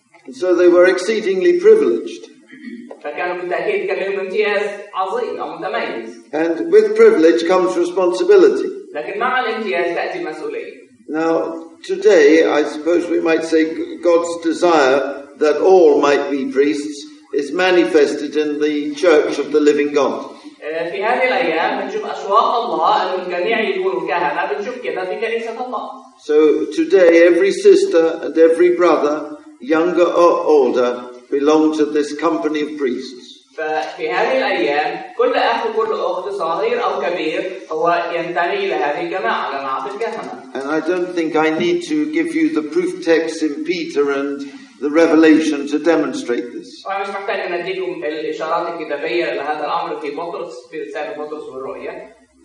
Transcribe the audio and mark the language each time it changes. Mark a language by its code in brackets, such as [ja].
[en] So they were exceedingly privileged. [ar] فكانوا بالتأكيد كان لهم امتياز عظيم أو متميز. [en] And with privilege comes responsibility. [ar] لكن مع الامتياز تأتي مسؤولية. [en] Now today I suppose we might say God's desire that all might be priests is manifested in the Church of the Living God. [ar] في هذه الأيام بنشوف أشواق الله أن الجميع يكونوا كهنة، بنشوف كده في كنيسة الله. [en] So today every sister and every brother, younger or older, belong to this company of priests. [ar] ففي هذه الأيام كل أخ وكل أخت صغير أو كبير هو ينتمي إلى هذه الجماعة، جماعة الكهنة. [en] And I don't think I need to give you the proof text in Peter and the Revelation to demonstrate this. [ar] وأنا مش محتاج أن أديكم الإشارات الكتابية لهذا الأمر في بطرس، في رسالة بطرس والرؤية.